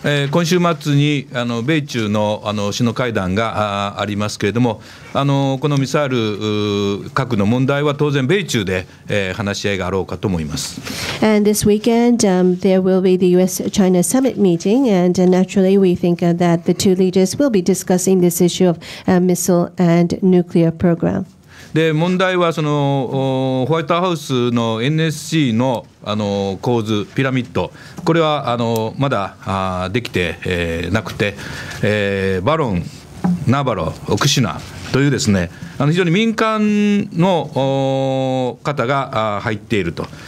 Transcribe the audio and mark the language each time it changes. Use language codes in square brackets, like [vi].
[ja] 今週末に米中の首脳会談がありますけれども、このミサイル核の問題は当然米中で話し合いがあろうかと思います。 [en] And this weekend, there will be the U.S.-China summit meeting, and naturally we think that the two leaders will be discussing this issue of missile and nuclear program. [ja] で問題はそのホワイトハウスの NSC の構図ピラミッド、これはまだできてなくて、バロン、ナバロ、オクシナというですね非常に民間の方が入っていると。